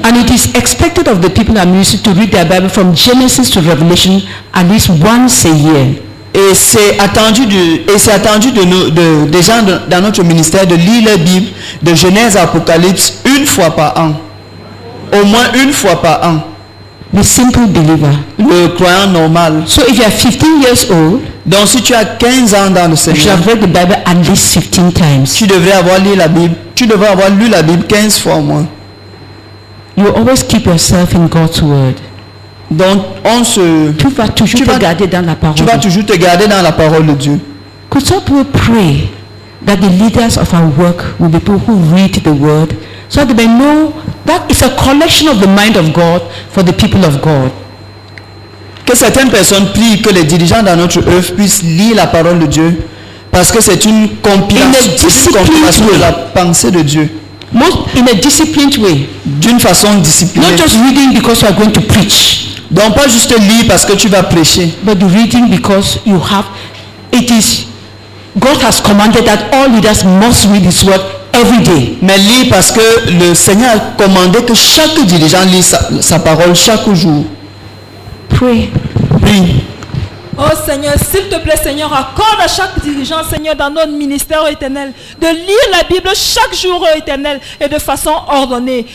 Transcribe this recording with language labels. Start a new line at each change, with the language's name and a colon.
English: and it is expected of the people I minister to read their Bible from Genesis to Revelation at least once a year.
French: Et c'est attendu des gens dans notre ministère de lire la Bible de Genèse à Apocalypse une fois par an, au moins une fois par an.
English: The simple believer,
French: le croyant normal.
English: So if you are 15 years old,
French: donc si tu as 15 ans dans le Seigneur,
English: you should have read the Bible at least 15 times.
French: Tu devrais avoir lu la Bible 15 fois au moins.
English: You always keep yourself in God's word.
French: Donc tu vas toujours te garder dans la parole de Dieu.
English: Could some people pray that the leaders of our work will be people who read the word, so that they know that it's a collection of the mind of God for the people of God.
French: Que certaines personnes prient que les dirigeants dans notre œuvre puissent lire la parole de Dieu, parce que c'est une compilation de la pensée de Dieu.
English: Most in a disciplined way.
French: D'une façon disciplinée.
English: Not just reading because you are going to preach.
French: Donc pas juste lire parce que tu vas prêcher.
English: But the reading because you have, it is, God has commanded that all leaders must read His word every day.
French: Mais lire parce que le Seigneur a commandé que chaque dirigeant lit sa parole chaque jour.
English: Pray.
French: Prie. Oh Seigneur, s'il te plaît, Seigneur, accorde à chaque dirigeant, Seigneur, dans notre ministère éternel, de lire la Bible chaque jour éternel et de façon ordonnée.